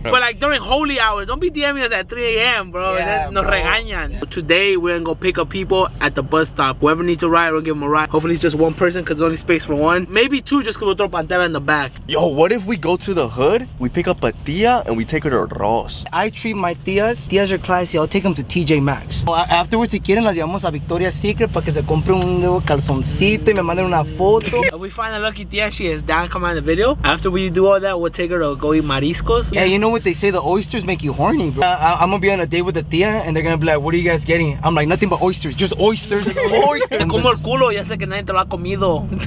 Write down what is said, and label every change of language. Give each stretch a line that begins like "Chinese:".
English: But like during holy hours, don't be DMing us at 3 a.m, bro. Yeah,
Spanish: nos regañan.
English: Yeah. Today, we're going to go pick up people at the bus stop. Whoever needs a ride, we'll give them a ride. Hopefully, it's just one person because there's only space for one. Maybe two just because we'll throw Pantera in the back. Yo, what if we go to the hood, we pick up a tia and we take her to Ross? I treat my tias. Tias are classy. I'll take them to TJ Maxx.
Spanish: Afterwards, si quieren, las llevamos a Victoria's Secret para que se compre un nuevo calzoncito y me manden una foto.
English: A lucky tia, she is down. Come on the video. After we do all that, we'll take her to go eat mariscos. Yeah, you know what they say, the oysters make you horny, bro. I'm gonna be on a date with the tia and they're gonna be like, what are you guys getting? I'm like, nothing but oysters, just oysters. Oysters.
Spanish: Como el culo, ya sé que nadie te lo ha comido.